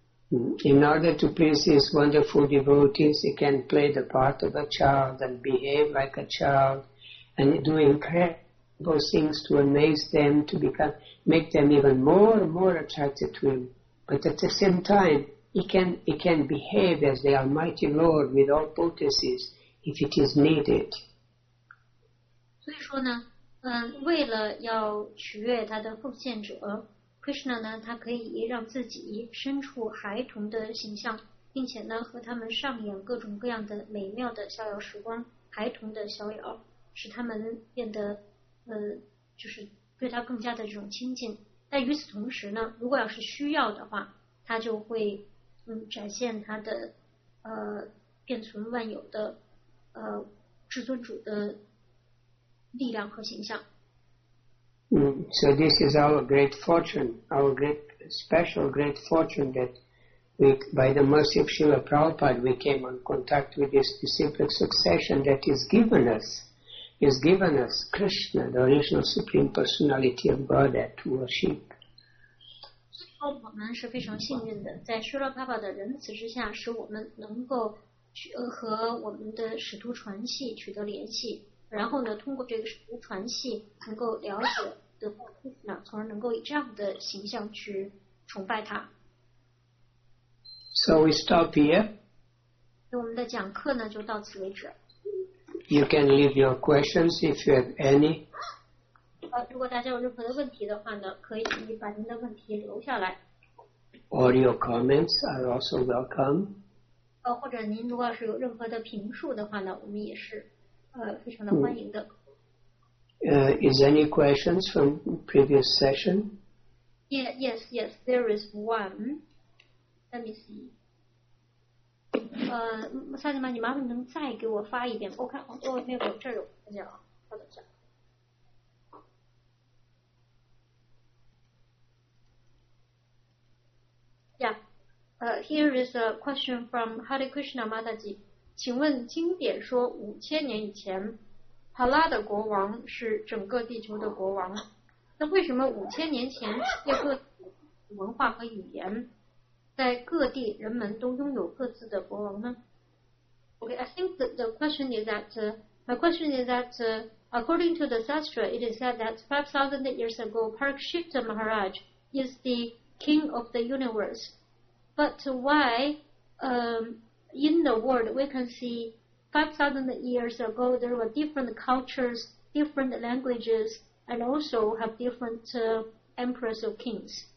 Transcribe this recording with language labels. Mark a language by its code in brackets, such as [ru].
[en] In order to please his wonderful devotees, he can play the part of a child and behave like a child and do incredible things to amaze them, to become, make them even more and more attracted to him. But at the same time,He can behave as the Almighty Lord with all potencies if it is needed. [zh] 所以说呢，为了要取悦他的奉献者 ，Krishna 呢，他可以让自己身处孩童的形象，并且呢，和他们上演各种各样的美妙的逍遥时光，孩童的逍遥，使他们变得，就是对他更加的这种亲近。但与此同时呢，如果要是需要的话，他就会展现他的变存万有的至尊主的力量和形象。 [en] So this is our great fortune, our great special great fortune that we, by the mercy of Srila Prabhupada, we came in contact with this disciplic succession that is given us Krishna, the original Supreme Personality of Godhead to worship. [zh] 我们是非常幸运的，在舍勒帕帕的仁慈之下，使我们能够和我们的使徒传系取得联系，然后呢，通过这个使徒传系能够了解的Krishna，从而能够以这样的形象去崇拜他。 [en] So we stop here. [zh] 我们的讲课呢就到此为止。 [en] You can leave your questions if you have any. [zh] 如果大家有任何的问题的话呢，可以把您的问题留下来。 [en] All your comments are also welcome. [zh] 或者您如果是有任何的评述的话呢，我们也是非常的欢迎的。 [en] Is any questions from previous session? Yeah, yes, yes, there is one. Let me see. [zh] 萨姐妈，你麻烦能再给我发一遍？我看，哦，那个这儿有，看见了，稍等一下。 [en] Here is a question from Hare Krishna Mataji. [zh] 请问经典说五千年以前，帕拉的国王是整个地球的国王。那为什么五千年前有各文化和语言，在各地人们都拥有各自的国王呢？ [en] Okay, I think the question is that, my question is that, according to the Shastra, it is said that 5,000 years ago, Parikshita Maharaj is the king of the universe. But why, in the world, we can see 5,000 years ago, there were different cultures, different languages, and also have different emperors or kings.